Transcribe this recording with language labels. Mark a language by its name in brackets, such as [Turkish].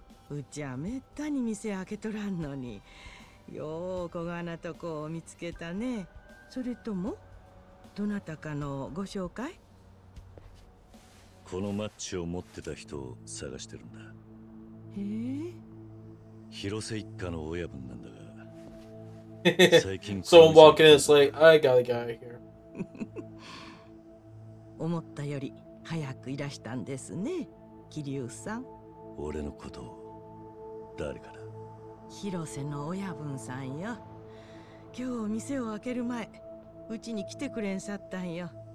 [Japanese] うちはめったに店開けとらんのに、よう小がなとこを見つけたね。それとも、どなたかのご紹介。このマッチを持ってた人を探してるんだ。へえ、広瀬一家の親分なんだが、 [English] So I'm walking in, it's like, I gotta get out of here. [Japanese] 思ったより早くいらしたんですね、キリュウさん。俺のことを誰から？広瀬の親分さんよ。今日店を開ける前、うちに来てくれんさったんよ。